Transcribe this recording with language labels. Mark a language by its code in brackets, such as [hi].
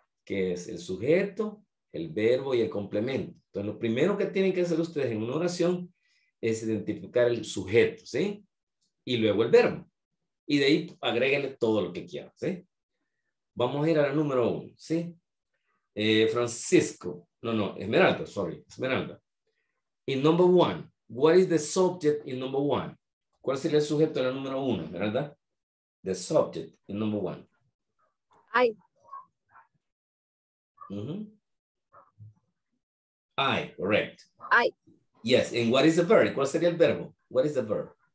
[es] Que es el sujeto, el verbo y el complemento. Entonces, lo primero que tienen que hacer ustedes en una oración es identificar el sujeto, ¿sí? Y luego el verbo. Y de ahí, agréguenle todo lo que quieran, ¿sí? Vamos a ir a la número uno, ¿sí? Francisco. No, Esmeralda, sorry. Esmeralda. [en] In number one, what is the subject in number one? [es] ¿Cuál sería el sujeto en la número uno, Esmeralda? [en] The subject in number one. I. I, correct. I. Yes, and what is the verb? [es] ¿Cuál sería el verbo? [en] What is the verb?